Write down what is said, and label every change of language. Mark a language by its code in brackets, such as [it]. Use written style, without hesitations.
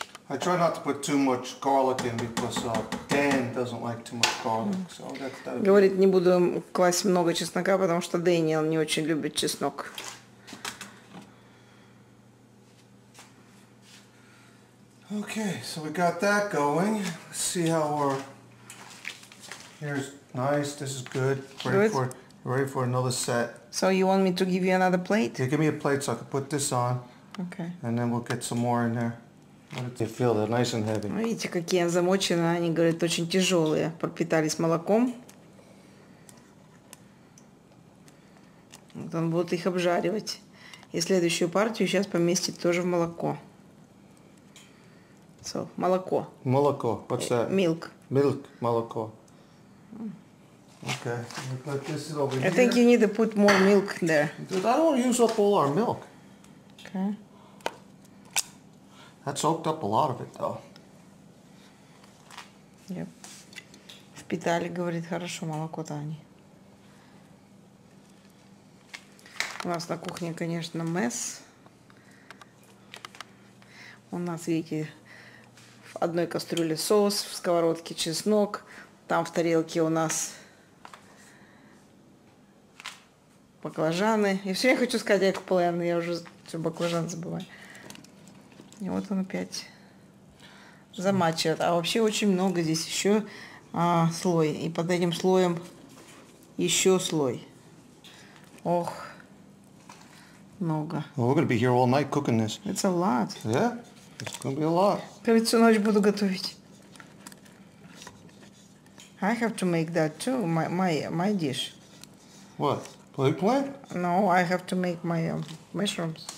[en] I try not to put too much garlic in because Dan doesn't like too much garlic. Mm. So that's [ru] Говорит, не буду класть много чеснока, потому что Дэниел не очень любит чеснок. [en] Okay, so we got that going. Let's see how we're... Here's nice, this is good. Ready for another set. So you want me to give you another plate? Yeah, give me a plate so I can put this on. Okay. And then we'll get some more in there. They feel they're nice and heavy. [ru] Видите, какие они замочены, они говорят, очень тяжелые, пропитались молоком. Вот он будет их обжаривать. И следующую партию сейчас поместит тоже в молоко. So, молоко. [en] Молоко. What's that? Milk. Milk, молоко. Okay. But this is over here. I think you need to put more milk there. Dude, I don't use up all our milk. Okay. That soaked up a lot of it, though. Yep. [ru] Впитали, говорит, хорошо молоко-то они. У нас на кухне, конечно, месс. У нас, видите, в одной кастрюле соус, в сковородке чеснок. Там в тарелке у нас баклажаны. Я все время хочу сказать эгплен, я уже все баклажан забываю. И вот он опять замачивает. А вообще очень много здесь еще слой. И под этим слоем еще слой. Ох, много. [en] Well, we're going to be here all night cooking this. It's a lot. Yeah, it's going to be a lot. Перед всю ночь буду готовить. I have to make that too, my dish. What? Play plant? No, I have to make my mushrooms.